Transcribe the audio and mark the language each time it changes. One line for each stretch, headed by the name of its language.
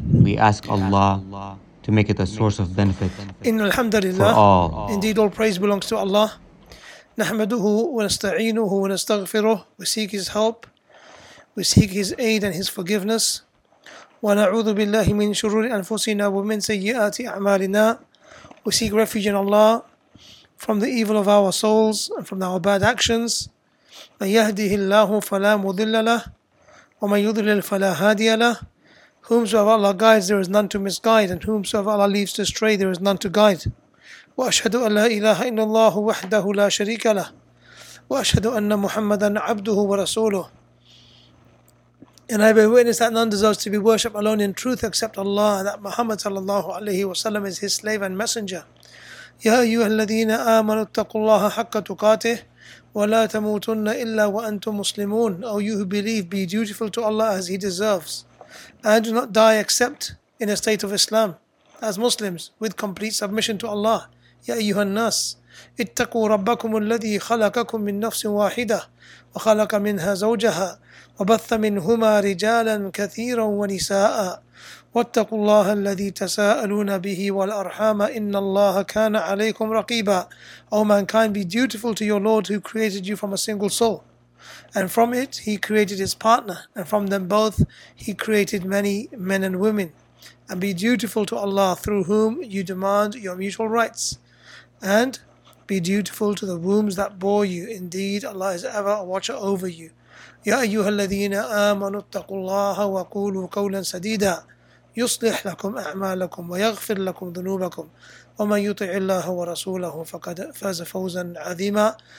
English: We ask Allah to make it a source of benefit
Arabic: إن الحمد لله.
English: Indeed, all praise belongs to Allah.
Arabic: نحمده ونستعينه ونستغفره.
English: We seek His help. We seek His aid and His forgiveness.
Arabic: ونعوذ بالله من شرور أنفسنا ومن سيئات أعمالنا.
English: We seek refuge in Allah from the evil of our souls and from our bad actions.
Arabic: مَنْ يَهْدِهِ اللَّهُ فَلَا مُضِلَّ لَهُ وَمَنْ يُضْلِلْ فَلَا هَادِيَ لَهُ.
English: Whomsoever Allah guides, there is none to misguide, and whomsoever Allah leaves to stray, there is none to guide.
Arabic: وَأَشْهَدُ أَنْ لَا إِلَهَ إِلَّا اللَّهُ وَحْدَهُ لَا شَرِيكَ لَهُ وَأَشْهَدُ أَنَّ مُحَمَّدًا عَبْدُهُ وَرَسُولُهُ.
English: And I bear witness that none deserves to be worshipped alone in truth except Allah, and that Muhammad sallallahu alayhi wa sallam is his slave and messenger.
Arabic: يا أيها الذين آمنوا اتقوا الله حق تقاته ولا تموتن إلا وأنتم مسلمون.
English: Oh, you who believe, be dutiful to Allah as He deserves, and do not die except in a state of Islam, as Muslims, with complete submission to Allah.
Arabic: يا أيها الناس اتقوا ربكم الذي خلقكم من نفس واحدة وخلق منها زوجها وبث منهما رجالا كثيرا ونساء واتقوا الله الذي تساءلون به والأرحام إن الله كان عليكم رقيبا.
English: O mankind, be dutiful to your Lord who created you from a single soul, and from it He created His partner, and from them both He created many men and women. And be dutiful to Allah through whom you demand your mutual rights, and be dutiful to the wombs that bore you. Indeed, Allah is ever a watcher over you.
Arabic: يا أيها الذين آمنوا اتقوا الله وقولوا قولا سديدا يصلح لكم أعمالكم ويغفر لكم ذنوبكم ومن يطع الله ورسوله فقد فاز فوزا عظيما.